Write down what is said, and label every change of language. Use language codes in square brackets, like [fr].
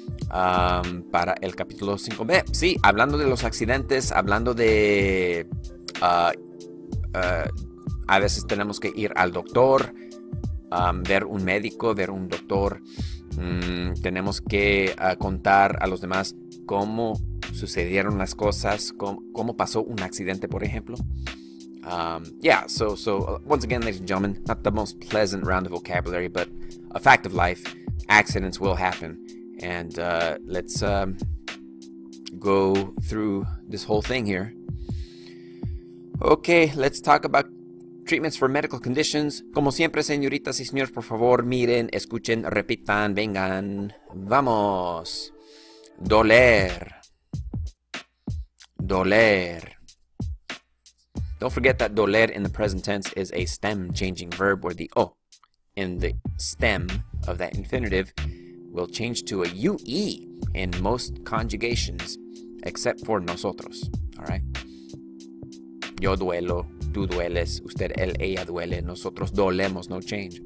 [es] Para el capítulo 5b. Sí, hablando de los accidentes, hablando de a veces tenemos que ir al doctor, ver un médico, ver un doctor. Tenemos que contar a los demás cómo sucedieron las cosas, cómo pasó un accidente, por ejemplo. [en] Once again, ladies and gentlemen, not the most pleasant round of vocabulary, but a fact of life, accidents will happen. And let's go through this whole thing here. Okay, let's talk about treatments for medical conditions. [es] Como siempre, señoritas y señores, por favor, miren, escuchen, repitan, vengan. Vamos. Doler. Doler. [en] Don't forget that doler in the present tense is a stem-changing verb where the O in the stem of that infinitive will change to a UE in most conjugations, except for nosotros, all right? [es] Yo duelo, tú dueles, usted, él, ella duele, nosotros dolemos, no change.